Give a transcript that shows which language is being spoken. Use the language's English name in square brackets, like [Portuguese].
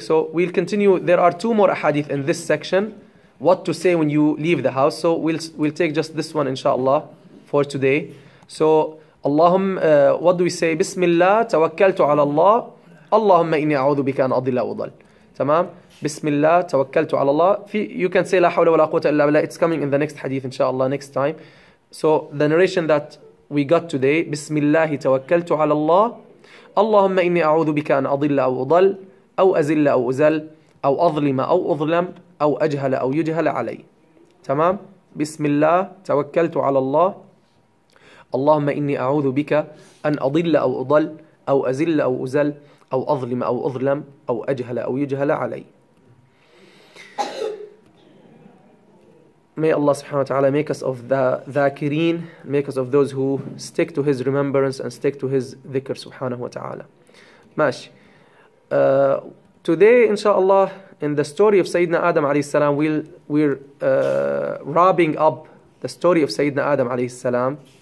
[English] So we'll continue, there are two more ahadith in this section, what to say when you leave the house. So we'll take just this one, inshallah, for today. So, اللهم, what do we say? [Arabic] بسم الله توكلت على الله, اللهم إني أعوذ بك أن أضل وضل. [English] Tamam. [Arabic] Bismillah, tawakkaltu ala Allah. [English] You can say [Arabic] la hawla wa la quwwata illa billah. [English] It's coming in the next hadith, inshallah, next time. So the narration that we got today, [Arabic] Bismillah, tawakkaltu ala Allah. Allahumma inni a'udhu bika an adilla aw udal, aw azilla aw uzal, أو أظلم أو أظلم أو أجهل أو يجهل علي. تمام؟ بسم الله توكلت على الله. اللهم إني أعوذ بك أن أضل أو أضل أو أزل أو أزل أو أظلم أو أظلم أو أجهل أو يجهل علي. [English] May Allah subhanahu wa ta'ala make us of the dhakirin, make us of those who stick to his remembrance and stick to his dhikr subhanahu wa ta'ala. Mashi. Today, inshallah, in the story of Sayyidina Adam alayhi salam, we're wrapping up the story of Sayyidina Adam alayhi salam.